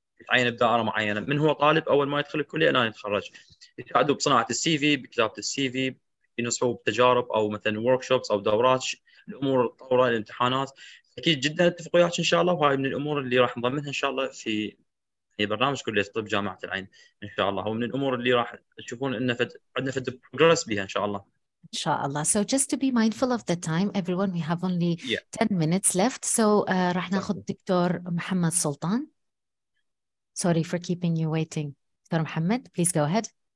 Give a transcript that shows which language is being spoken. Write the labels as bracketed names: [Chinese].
[Arabic] عين بدائرة معينة من هو طالب أول ما يدخل الكلية الآن يتخرج يساعده بصناعة السي في بكتابة السي في بنصحه بتجارب أو مثلاً ووركشوبس أو دورات الأمور طورة الامتحانات أكيد جداً اتفقوا ياك إن شاء الله وهاي من الأمور اللي راح نضمنها إن شاء الله في برنامج كلية طب جامعة العين إن شاء الله ومن الأمور اللي راح تشوفون إنه عندنا فد بروجرس بها إن شاء الله إن شاء الله. [English] So just to be mindful of the time, everyone we have only 10 minutes left. [Arabic] So راح نأخذ دكتور محمد سلطان. [English] Sorry for keeping you waiting. Dr. Muhammad, please go ahead.